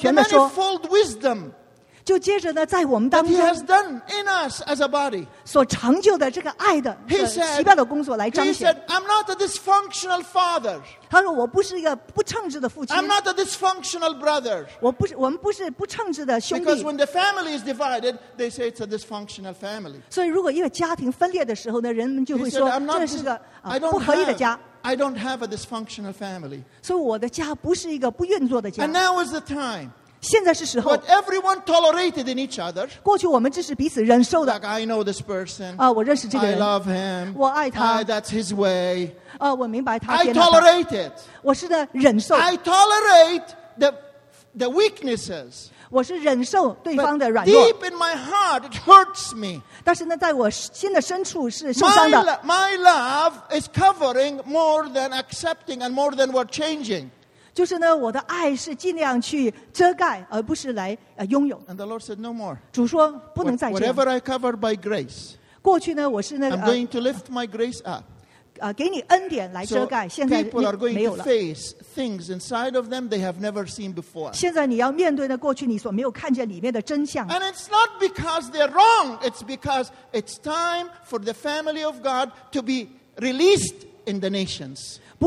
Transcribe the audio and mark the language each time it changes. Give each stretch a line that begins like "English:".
English: the manifold wisdom.
Chinese: 就接着呢，在我们当中。
English: That he has done in us as a body.
Chinese: 所成就的这个爱的奇妙的工作来彰显。
English: He said, "I'm not a dysfunctional father."
Chinese: 他说我不是一个不称职的父亲。
English: I'm not a dysfunctional brother.
Chinese: 我们不是不称职的兄弟。
English: Because when the family is divided, they say it's a dysfunctional family.
Chinese: 所以如果一个家庭分裂的时候呢，人们就会说这是个不合一的家。
English: I don't have a dysfunctional family. So
Chinese: 我的家不是一个不运作的家。
English: And now is the time.
Chinese: 现在是时候。
English: What everyone tolerated in each other.
Chinese: 过去我们只是彼此忍受的。
English: Like, I know this person.
Chinese: 我认识这个人。
English: I love him.
Chinese: 我爱他。
English: That's his way.
Chinese: 我明白他。
English: I tolerate it.
Chinese: 我是的忍受。
English: I tolerate the weaknesses.
Chinese: 我是忍受对方的软弱。
English: Deep in my heart, it hurts me.
Chinese: 但是呢，在我心的深处是受伤的。
English: My love is covering more than accepting and more than we're changing.
Chinese: 就是呢，我的爱是尽量去遮盖，而不是来拥有。
English: And the Lord said, "No more."
Chinese: 主说不能再这样。
English: Whatever I cover by grace.
Chinese: 过去呢，我是那个。
English: I'm going to lift my grace up.
Chinese: 给你恩典来遮盖。
English: People are going to face things inside of them they have never seen before.
Chinese: 现在你要面对的过去你所没有看见里面的真相。
English: And it's not because they're wrong, it's because it's time for the family of God to be released in the nations.